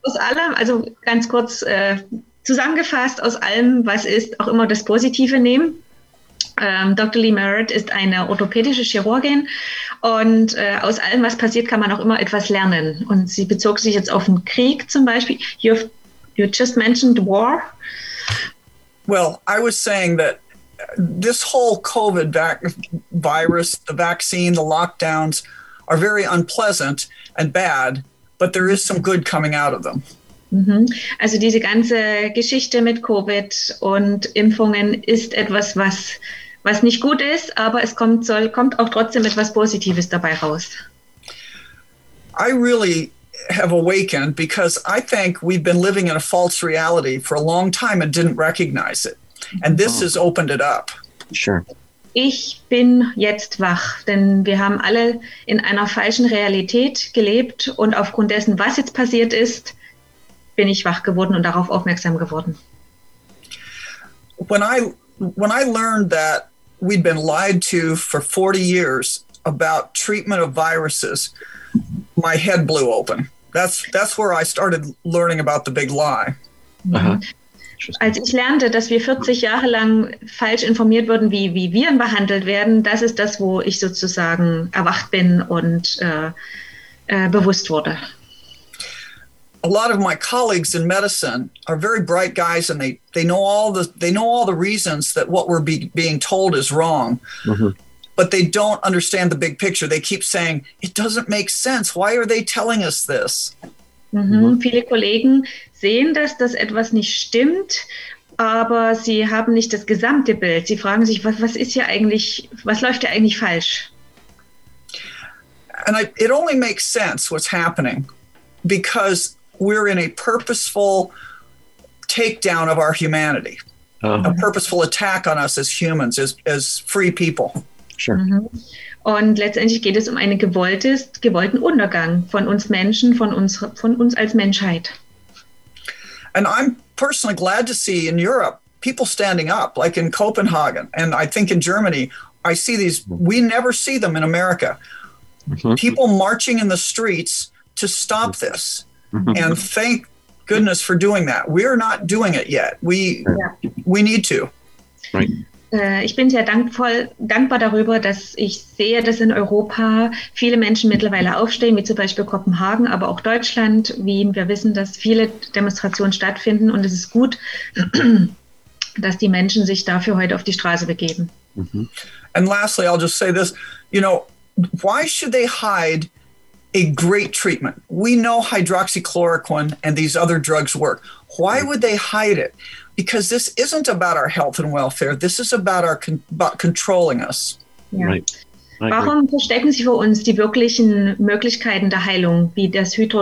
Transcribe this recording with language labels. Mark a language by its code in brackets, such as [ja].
[de] Aus allem, also ganz kurz zusammengefasst, aus allem, was ist, auch immer das Positive nehmen. Dr. Lee Merritt ist eine orthopädische Chirurgin und aus allem, was passiert, kann man auch immer etwas lernen. Und sie bezog sich jetzt auf den Krieg zum Beispiel. [en] You just mentioned war. Well, I was saying that this whole COVID virus, the vaccine, the lockdowns are very unpleasant and bad, but there is some good coming out of them. [de] Also diese ganze Geschichte mit Covid und Impfungen ist etwas, was nicht gut ist, aber es kommt auch trotzdem etwas Positives dabei raus. [en] I really have awakened because I think we've been living in a false reality for a long time and didn't recognize it. And this has opened it up. Sure. [de] Ich bin jetzt wach, denn wir haben alle in einer falschen Realität gelebt und aufgrund dessen, was jetzt passiert ist, bin ich wach geworden und darauf aufmerksam geworden. [en] When I learned that we'd been lied to for 40 years about treatment of viruses, my head blew open. That's where I started learning about the big lie. Uh-huh. [de] Als ich lernte, dass wir 40 Jahre lang falsch informiert wurden, wie Viren behandelt werden, das ist das, wo ich sozusagen erwacht bin und bewusst wurde. [en] A lot of my colleagues in medicine are very bright guys, and they know all the reasons that what we're being told is wrong. Mm-hmm. But they don't understand the big picture. They keep saying it doesn't make sense. Why are they telling us this? Mm-hmm. Mm-hmm. [de] Viele Kollegen sehen, dass das etwas nicht stimmt, aber sie haben nicht das gesamte Bild. Sie fragen sich, was ist hier eigentlich, was läuft hier eigentlich falsch? [en] And it only makes sense what's happening because we're in a purposeful takedown of our humanity, a purposeful attack on us as humans, as free people. Sure. Mm-hmm. [de] Und letztendlich geht es um einen gewollten Untergang von uns Menschen, von uns als Menschheit. [en] And I'm personally glad to see in Europe people standing up, like in Copenhagen, and I think in Germany, I see these, we never see them in America, mm-hmm. people marching in the streets to stop this. And thank goodness for doing that. We're not doing it yet. We need to. [de] Ich bin sehr dankbar darüber, dass ich sehe, dass in Europa viele Menschen mittlerweile aufstehen, wie zum Beispiel Kopenhagen, aber auch Deutschland, Wien. Wir wissen, dass viele Demonstrationen stattfinden und es ist gut, dass die Menschen sich dafür heute auf die Straße begeben. Mm-hmm. [en] And lastly, I'll just say this. You know, why should they hide a great treatment? We know hydroxychloroquine and these other drugs work. Why would they hide it? Because this isn't about our health and welfare. This is about about controlling us. Yeah. Right. [de] Warum verstecken Sie vor uns die wirklichen Möglichkeiten der Heilung, wie das